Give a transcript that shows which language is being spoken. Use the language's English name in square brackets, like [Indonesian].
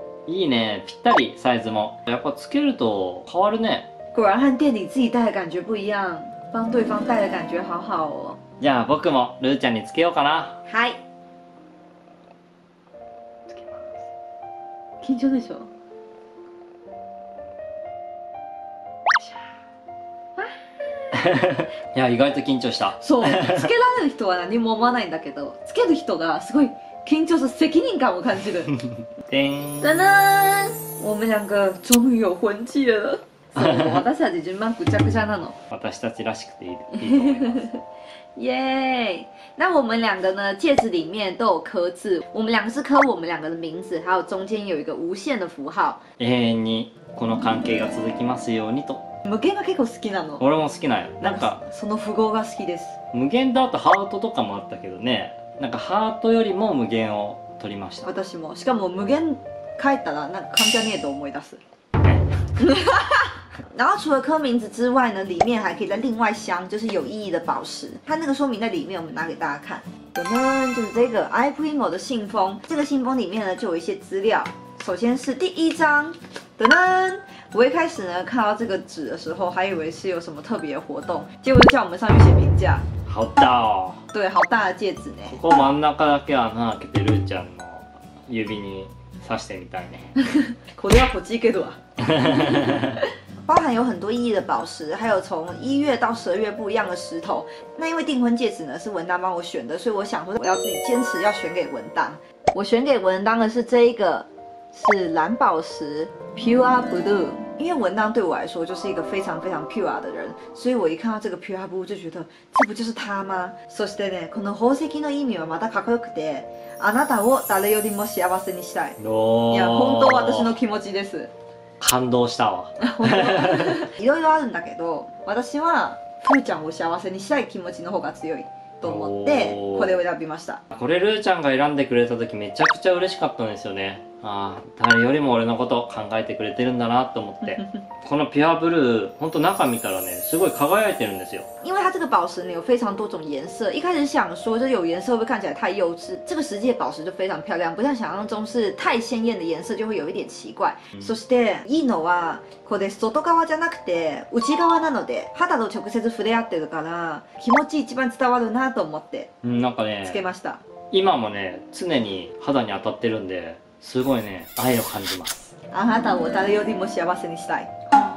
[Japanese] いいね、ぴったりサイズも。やっぱつけると変わるね。 [Chinese] 果然和店里自己戴的感觉不一样，帮对方戴的感觉好好哦。 [Japanese] じゃあ僕もルーちゃんにつけようかな。はい。つけます。緊張でしょ？いや意外と緊張した。そう、つけられる人は何も思わないんだけど、つける人がすごい緊張する責任感を感じる。 [Chinese] 叮叮我们两个终于有婚戒了。 [Japanese] そう、私たち順番ぐちゃぐちゃなの。私たちらしくていい、と思います。イエーイ。 [Chinese] 那我们两个呢、戒指里面都有刻字。我们两个是刻我们两个的名字、还有中间有一个无限的符号。 [Japanese] 永遠にこの関係が続きますようにと。無限が結構好きなの。俺も好きなんや。なんか、その符号が好きです。無限だとハートとかもあったけどね。なんかハートよりも無限を取りました。私も。しかも無限帰ったら、なんか関係ねえと思い出す。 [Chinese] 然后除了刻名字之外呢，里面还可以再另外镶，就是有意义的宝石。它那个说明在里面，我们拿给大家看。噔噔，就是这个 iPrimo 的信封。这个信封里面呢，就有一些资料。首先是第一张，噔噔。我一开始呢，看到这个纸的时候，还以为是有什么特别活动，结果就叫我们上去写评价。好大哦。对，好大的戒指呢。 [Japanese] ここ真ん中だけ穴開けてるちゃんの指に刺してみたいね。これはこっちけどわ。 [Chinese] 包含有很多意义的宝石，还有从一月到十二月不一样的石头。那因为订婚戒指呢是文丹帮我选的，所以我想说我要自己坚持要选给文丹。我选给文丹的是这一个，是蓝宝石 Pure Blue。因为文丹对我来说就是一个非常非常 pure 的人，所以我一看到这个 pure blue 就觉得这不就是他吗？ [Japanese] そしてね、この宝石の意味はまたかっこよくて、あなたを誰よりも幸せにしたい。いや、本当私の気持ちです。感動したわ。いろいろあるんだけど、私はふーちゃんを幸せにしたい気持ちの方が強いと思ってこれを選びました。これルーちゃんが選んでくれた時めちゃくちゃ嬉しかったんですよね。あ、誰よりも俺のこと考えてくれてるんだなと思って。このピュアブルー本当中見たらねすごい輝いてるんですよ。 [Chinese] 因为它这个宝石呢有非常多种颜色，一开始想说就有颜色会不会看起来太幼稚，这个实际的宝石就非常漂亮，不像想象中是太鲜艳的颜色就会有一点奇怪。 [Japanese] そしていいのはこれ外側じゃなくて内側なので肌と直接触れ合ってるから気持ち一番伝わるなと思って。なんかねつけました。今もね常に肌に当たってるんで。すごいね、愛を感じます。あなたを誰よりも幸せにしたい。